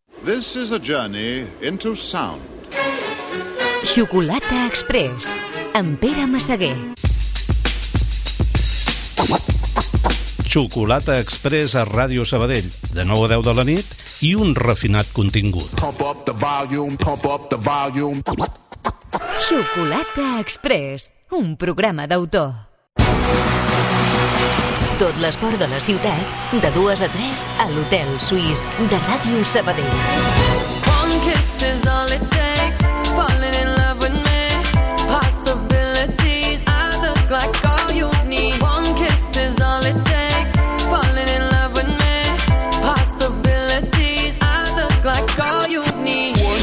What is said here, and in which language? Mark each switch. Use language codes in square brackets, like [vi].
[en] This is a journey into sound. [ca] Xocolata Express, amb Pere Massaguer. Xocolata Express a Ràdio Sabadell, de 9 a 10 de la nit, i un refinat contingut. [en] Pump up the volume, pump up the volume. [ca] Xocolata Express, un programa d'autor. Tot l'esport de la ciutat, de 2 a 3, a l'Hotel Suís de Ràdio Sabadell. [en] One kiss is all it takes, falling in love with me. Possibilities, I look like all you need. One kiss is all it takes, falling in love with me. Possibilities, I look like all you need.